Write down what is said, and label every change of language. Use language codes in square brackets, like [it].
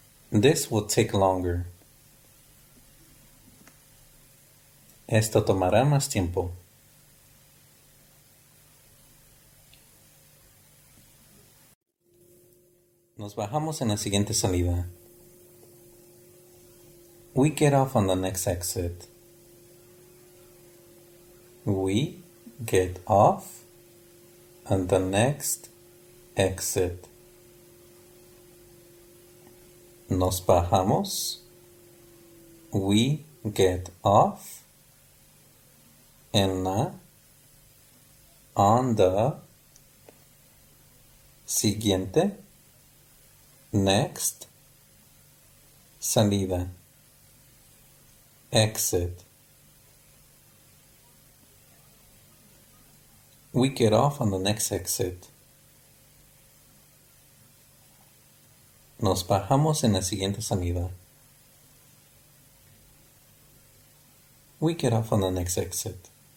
[en] This will take longer. [es] Esto tomará más tiempo. Nos bajamos en la siguiente salida. [en] We get off on the next exit. We get off on the next exit. [es] Nos bajamos. [en] We get off [es] en la [en] on the [es] siguiente [en] next [es] salida [en] exit. We get off on the next exit. [es] Nos bajamos en la siguiente salida. [en] We get off on the next exit.